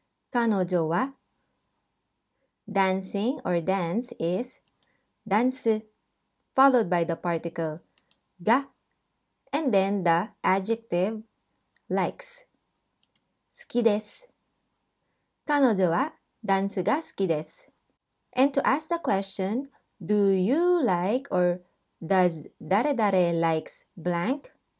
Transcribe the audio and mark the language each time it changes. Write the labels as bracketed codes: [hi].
[ja] 彼女は [en] Dancing or dance is dance, followed by the particle ga, and then the adjective likes. [ja] 好きです. 彼女はダンスが好きです. [en] And to ask the question, do you like or does 誰誰 likes blank?